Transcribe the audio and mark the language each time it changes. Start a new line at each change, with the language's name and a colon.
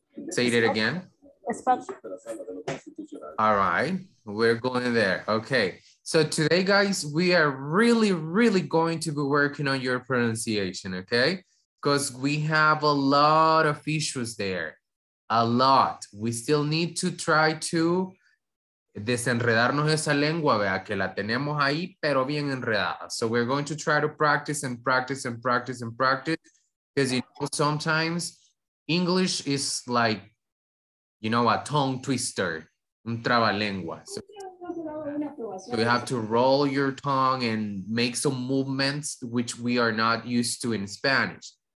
English: Say it again. All right, we're going there. Okay, so today, guys, we are really, really going to be working on your pronunciation, okay? Because we have a lot of issues there, a lot. We still need to try to
Spanish: desenredarnos esa lengua, vea, que la tenemos ahí, pero bien enredada.
English: So we're going to try to practice and practice and practice and practice, because you know, sometimes English is like, you know, a tongue twister, un trabalengua. So you have to roll your tongue and make some movements which we are not used to in Spanish.